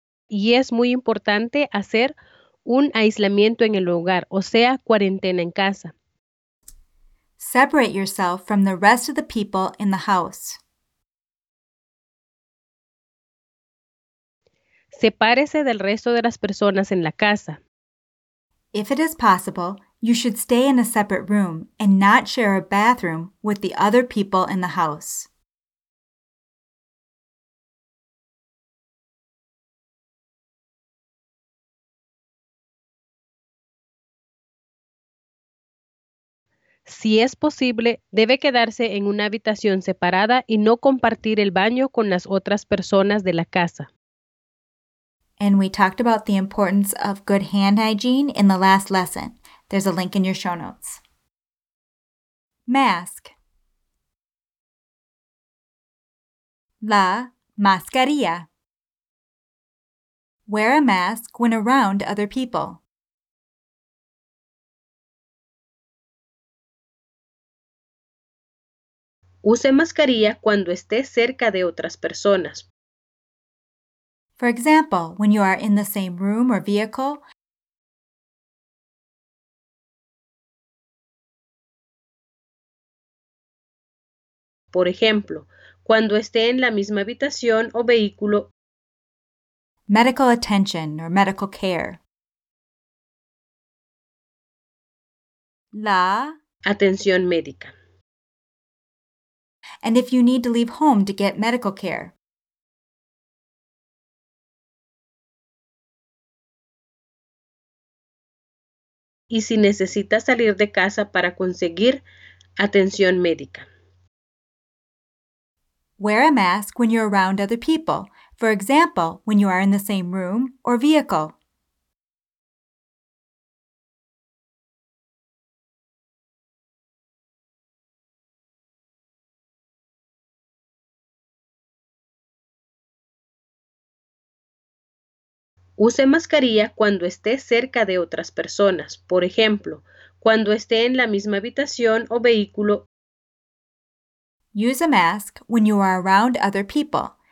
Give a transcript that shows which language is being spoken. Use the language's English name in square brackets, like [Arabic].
[Spanish] Y es muy importante hacer un aislamiento en el hogar, o sea, cuarentena en casa. [English] Separate yourself from the rest of the people in the house. [Spanish] Sepárese del resto de las personas en la casa. [English] If it is possible, you should stay in a separate room and not share a bathroom with the other people in the house. [Spanish] Si es posible, debe quedarse en una habitación separada y no compartir el baño con las otras personas de la casa. [English] And we talked about the importance of good hand hygiene in the last lesson. There's a link in your show notes. Mask. La mascarilla. Wear a mask when around other people. [Spanish] Use mascarilla cuando esté cerca de otras personas. [English] For example, when you are in the same room or vehicle. [Spanish] Por ejemplo, cuando esté en la misma habitación o vehículo. [English] Medical attention or medical care. [Spanish] La atención médica. [English] And if you need to leave home to get medical care. [Spanish] Y si necesita salir de casa para conseguir atención médica. [English] Wear a mask when you're around other people. For example, when you are in the same room or vehicle. [Spanish] Use mascarilla cuando esté cerca de otras personas, por ejemplo, cuando esté en la misma habitación o vehículo. [English] Use a mask when you are around other people.